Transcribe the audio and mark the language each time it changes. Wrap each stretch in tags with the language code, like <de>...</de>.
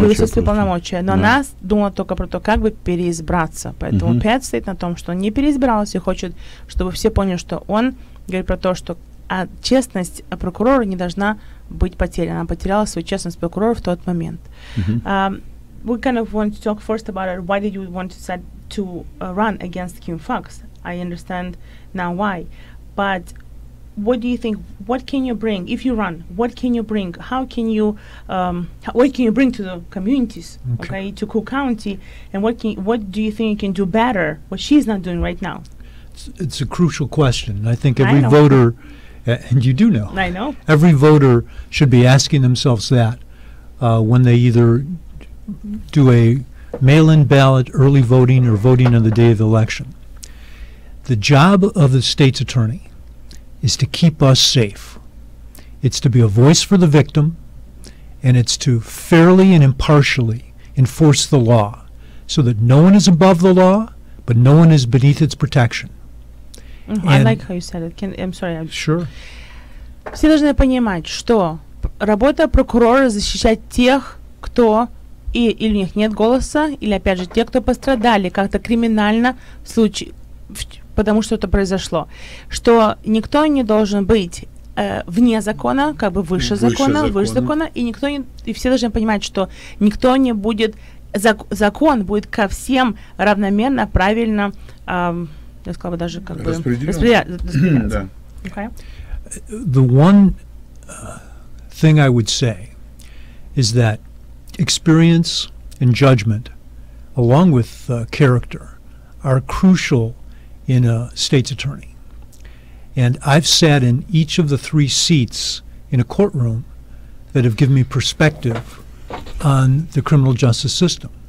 <ru>Превысила свои полномочия. Но она думала только про то, как бы переизбраться. Поэтому Пэт mm-hmm. стоит на том, что он не переизбрался и хочет, чтобы все поняли, что он говорит про то, что честность прокурора не должна быть потеряна. Она потеряла свою честность прокурора в тот момент. Mm-hmm.</ru> <en>We kind of want to talk first about it. Why did you want to decide to run against Ким Факс? I understand now why. But what do you think, what can you bring if you run, what can you bring, how can you what can you bring to the communities, okay, to Cook County, and what can you, what do you think you can do better, what she's not doing right now? It's a crucial question. I think every voter and you do know, I know, every voter should be asking themselves that when they either do a mail-in ballot, early voting, or voting on the day of the election. The job of the state's attorney is to keep us safe. It's to be a voice for the victim, and it's to fairly and impartially enforce the law so that no one is above the law, but no one is beneath its protection. Mm-hmm. I like how you said it. I'm sorry.</en> <ru>Все должны понимать, что работа прокурора защищать тех, кто или у них нет голоса, или опять же те, кто пострадали как-то криминально в случае потому что это произошло, что никто не должен быть вне закона, как бы выше закона, и никто не, и все должны понимать, что никто не будет, закон будет ко всем равномерно, правильно, я сказала бы даже как бы распределяться.</ru> <en>The one thing I would say is that experience and judgment, along with character, are crucial in a state's attorney. And I've sat in each of the three seats in a courtroom that have given me perspective on the criminal justice system.</en>